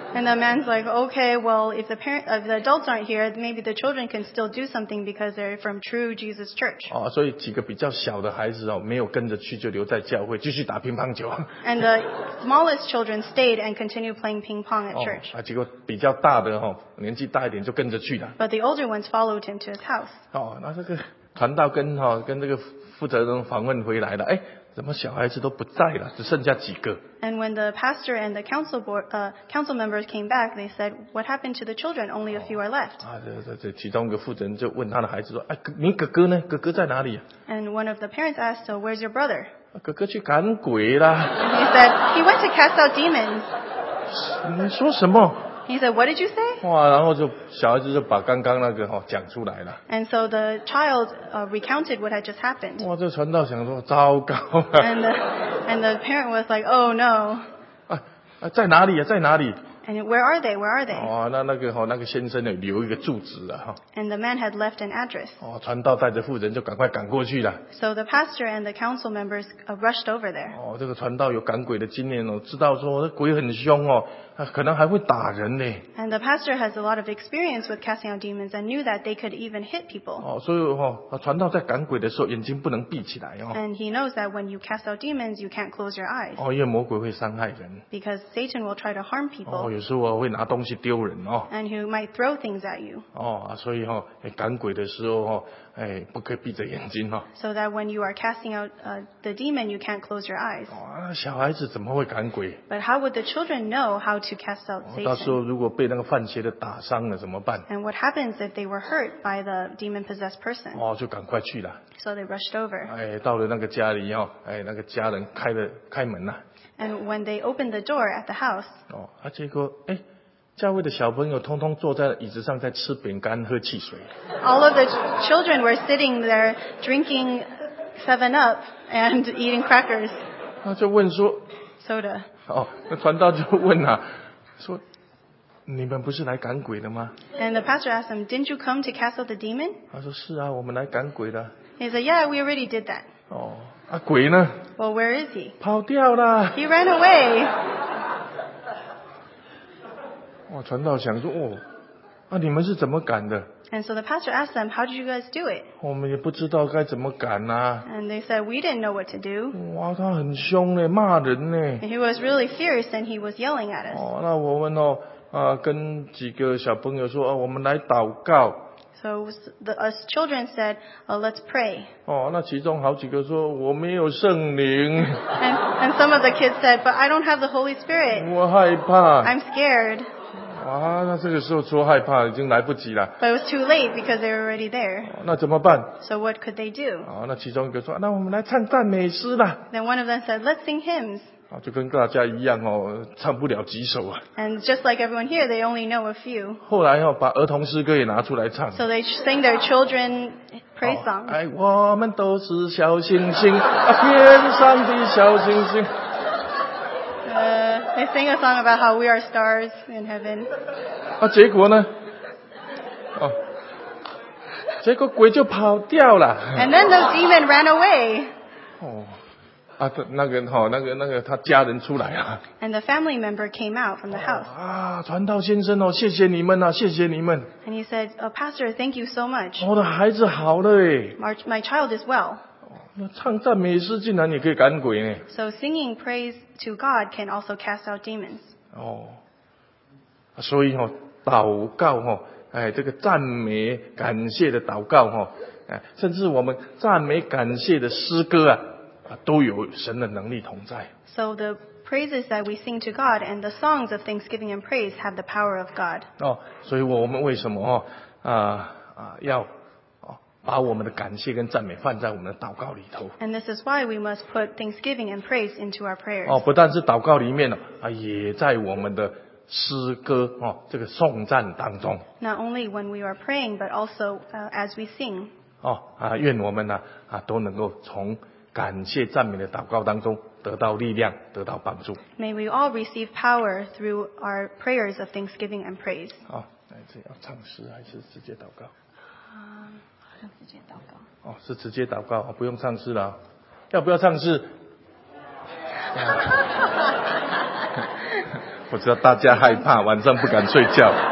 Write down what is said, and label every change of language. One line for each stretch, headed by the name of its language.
English: And the man's like, "Okay, well, if the parent, if the adults aren't here, maybe the children can still do something because they're from True Jesus Church."
Chinese: 哦，所以几个比较小的孩子哦，没有跟着去，就留在教会继续打乒乓球。
English: And the smallest children stayed and continued playing ping pong at church.
Chinese: 哦，啊，结果比较大的哦，年纪大一点就跟着去了。
English: But the older ones followed him to his house.
Chinese: 哦，那这个传道跟哈，哦，跟这个负责人访问回来了，哎，怎么小孩子都不在了，只剩下几个。
English: And when the pastor and the council board, council members came back, they said, "What happened to the children? Only a few are left."
Chinese: 啊，这其中一个负责人就问他的孩子说，哎，你哥哥呢？哥哥在哪里啊？
English: And one of the parents asked, "So where's your brother?"
Chinese: 哥哥去赶鬼了。
English: He said he went to cast out demons.
Chinese: 你说什么？
English: He said, "What did you say?"
Chinese: 哇，然后就小孩子就把刚刚那个哈，哦，讲出来了。
English: And so the child recounted what had just happened.
Chinese: 哇，这传道想说糟糕了。
English: And the parent was like, "Oh no."
Chinese: 啊，在哪里啊？在哪里
English: ？And where are they? Where are they?
Chinese: 哇，那个哈，哦，那个先生呢，留一个住址啊哈。
English: And the man had left an address.
Chinese: 哦，传道带着妇人就赶快赶过去了。
English: So the pastor and the council members rushed over there.
Chinese: 哦，这个传道有赶鬼的经验哦，知道说这鬼很凶哦。可能还会打人呢。
English: And the pastor has a lot of experience with casting out demons and knew that they could even hit people.
Chinese: 哦，所以哦，传道在赶鬼的时候眼睛不能闭起来哦。
English: And he knows that when you cast out demons, you can't close your eyes.
Chinese: 哦，因为魔鬼会伤害人。
English: Because Satan will try to harm people.
Chinese: 哦，有时候会拿东西丢人哦。
English: And he might throw things at you.
Chinese: 哦，所以哦，赶鬼的时候哦，哎，不可以闭着眼睛哦。
English: So that when you are casting out the demon, you can't close your eyes.
Chinese: 哦，小孩子怎么会赶鬼
English: ？But how would the children know how to cast out Satan?
Chinese: 到时候如果被那个犯邪的打伤了怎么办
English: ？And what happens if they were hurt by the demon-possessed person?
Chinese: 哦，就赶快去了。
English: So they rushed over.
Chinese: 哎，到了那个家里哦，哎，那个家人开门了。
English: And when they opened the door at the house.
Chinese: 哦，啊，结果哎，教会的小朋友通通坐在椅子上在吃饼干喝汽水。
English: All of the children were sitting there drinking 7-Up and eating crackers.
Chinese: 那就问说
English: ，Soda.
Chinese: 哦，那传道就问啊。说你们不是来赶鬼的吗
English: ？And the pastor asked him, "Didn't you come to cast out the demon?"
Chinese: 他说是啊，我们来赶鬼的。
English: He said, "Yeah, we already did that."
Chinese: 哦，啊，鬼呢
English: ？Well, where is he?
Chinese: 跑掉了。
English: He ran away.
Chinese: 哇，传道想说，哦，啊，你们是怎么赶的
English: ？And so the pastor asked them, "How did you guys do it?"
Chinese: 我们也不知道该怎么赶啊。
English: And they said, "We didn't know what to do."
Chinese: 哇，他很凶嘞，骂人嘞。
English: And he was really furious and he was yelling at us.
Chinese: 哦，那我们哦，啊，跟几个小朋友说，啊，我们来祷告。
English: So us children said, "Let's pray."
Chinese: 哦，那其中好几个说我没有圣灵。
English: And some of the kids said, "But I don't have the Holy Spirit."
Chinese: 我害怕。
English: I'm scared.
Chinese: 哇，那这个时候说害怕已经来不及了。
English: But it was too late because they were already there.
Chinese: 哦，那怎么办
English: ？So what could they do?
Chinese: 哦，那其中一个说，那我们来唱赞美诗吧。
English: Then one of them said, "Let's sing hymns."
Chinese: 哦，就跟大家一样哦，唱不了几首啊。
English: And just like everyone here, they only know a few.
Chinese: 后来哦，把儿童诗歌也拿出来唱。
English: So they sing their children praise songs.
Chinese: 哎，我们都是小星星，啊，天上的小星星。
English: They sing a song about how we are stars in heaven.
Chinese: 啊，结果呢？哦，结果鬼就跑掉了。
English: And then the demon ran away.
Chinese: 哦，啊，那个哈，哦，那个他家人出来啊。
English: And the family member came out from the house.
Chinese: 啊，传道先生哦，谢谢你们啊，谢谢你们。
English: And he said, "Pastor, thank you so much."
Chinese: 我的孩子好了诶。
English: My child is well.
Chinese: 唱赞美诗竟然也可以赶鬼呢。
English: So singing praise to God can also cast out demons.
Chinese: 哦，所以哦，祷告哦，哎，这个赞美感谢的祷告哦，哎，甚至我们赞美感谢的诗歌啊，都有神的能力同在。
English: So the praises that we sing to God and the songs of thanksgiving and praise have the power of God.
Chinese: 哦，所以我们为什么哦，要？把我们的感谢跟赞美放在我们的祷告里头。
English: And this is why we must put thanksgiving and praise into our prayers.
Chinese: 哦，不但是祷告里面呢，啊，也在我们的诗歌哦，这个颂赞当中。
English: Not only when we are praying, but also as we sing.
Chinese: 哦，啊，愿我们呢，啊，都能够从感谢赞美的祷告当中得到力量，得到帮助。
English: May we all receive power through our prayers of thanksgiving and praise.
Chinese: 哦，那是要唱诗还是直接祷告？直接祷告哦，是直接祷告，不用唱诗了。要不要唱诗？我知道大家害怕，晚上不敢睡觉。